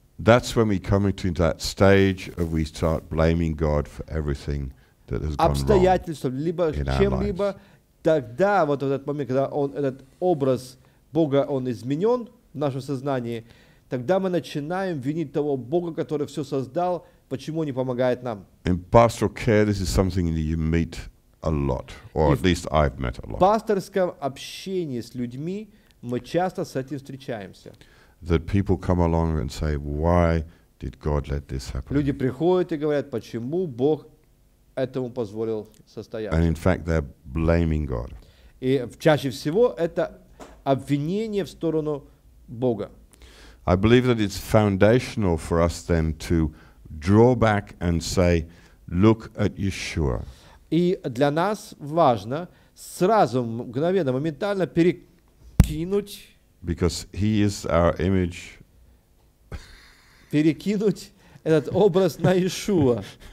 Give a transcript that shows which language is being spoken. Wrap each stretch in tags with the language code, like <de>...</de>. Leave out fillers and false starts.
<en>That's when we come into that stage of we start blaming God for everything that has gone wrong in our lives.</en> <ru>Тогда вот этот момент, когда этот образ Бога он изменен в нашем сознании, тогда мы начинаем винить того Бога, который все создал, почему не помогает нам.</ru> <en>In pastoral care, this is something that you meet a lot, or at least I've met a lot.</en> <ru>В пасторском общении с людьми мы часто с этим встречаемся.</ru> <en>That people come along and say, "Why did God let this happen?"</en> <ru>Люди приходят и говорят, почему Бог этому позволил состояться.</ru> <en>And in fact, they're blaming God.</en> <ru>И чаще всего это обвинение в сторону Бога.</ru> <en>I believe that it's foundational for us then to draw back and say, look at Yeshua.</en> <ru>И для нас важно сразу, мгновенно, моментально перекинуть.</ru> <en>Because he is our image.</en> <ru>Перекинуть этот образ на Иешуа.</ru>